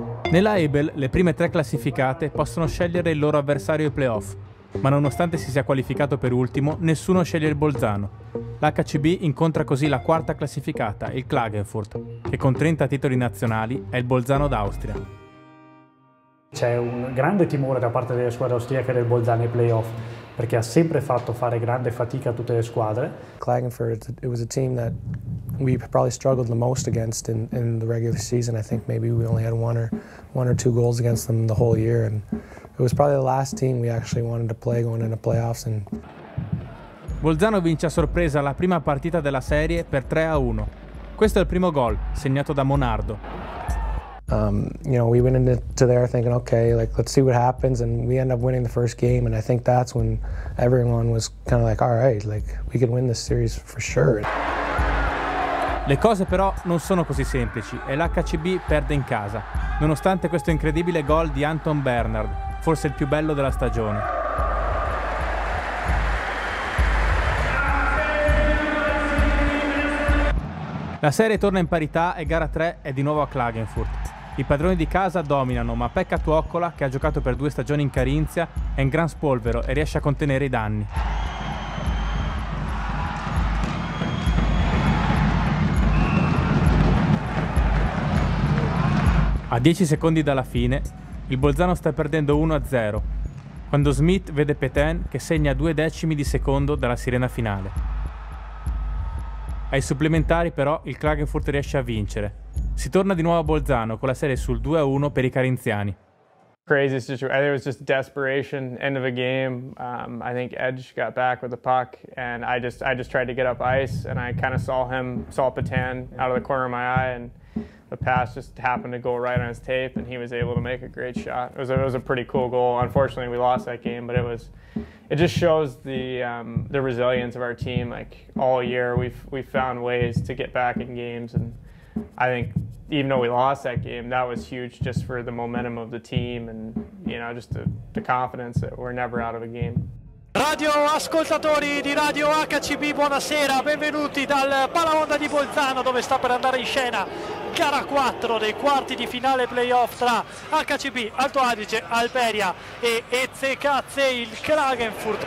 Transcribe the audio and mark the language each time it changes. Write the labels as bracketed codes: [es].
[it] Nella Able le prime tre classificate possono scegliere il loro avversario ai playoff, ma nonostante si sia qualificato per ultimo, nessuno sceglie il Bolzano. l'HCB incontra così la quarta classificata, il Klagenfurt, che con 30 titoli nazionali è il Bolzano d'Austria. C'è un grande timore da parte delle squadre austriache del Bolzano ai playoff, perché ha sempre fatto fare grande fatica a tutte le squadre. [en] Klagenfurt, it was a team that we probably struggled the most against in the regular season. I think maybe we only had one or two goals against them the whole year, and it was probably the last team we actually wanted to play going into playoffs. And [it] Bolzano vince a sorpresa la prima partita della serie per 3-1. Questo è il primo gol segnato da Monardo. [en] We went into there thinking, okay, like let's see what happens, and we end up winning the first game, and I think that's when everyone was kind of like, all right, like we can win this series for sure. [it] Le cose però non sono così semplici e l'HCB perde in casa, nonostante questo incredibile gol di Anton Bernard, forse il più bello della stagione. La serie torna in parità e gara 3 è di nuovo a Klagenfurt. I padroni di casa dominano, ma Pekka Tuokkola, che ha giocato per due stagioni in Carinzia, è in gran spolvero e riesce a contenere i danni. A 10 secondi dalla fine, il Bolzano sta perdendo 1-0, quando Smith vede Petain che segna 0,2 secondi dalla sirena finale. Ai supplementari però il Klagenfurt riesce a vincere. Si torna di nuovo a Bolzano con la serie sul 2-1 per i carinziani. [en] Crazy situation. I think it was just desperation, end of a game. I think Edge got back with the puck and I just tried to get up ice and I kind of saw Petain out of the corner of my eye and the pass just happened to go right on his tape and he was able to make a great shot. It was a pretty cool goal. Unfortunately, we lost that game, but it just shows the resilience of our team. Like all year we've found ways to get back in games, and I think even though we lost that game, that was huge just for the momentum of the team and, you know, just the confidence that we're never out of a game. [it] Radio ascoltatori di Radio HCB, buonasera, benvenuti dal Palaonda di Bolzano, dove sta per andare in scena gara 4 dei quarti di finale playoff tra HCB, Alto Adige, Alperia e Ezekaze, il Klagenfurt.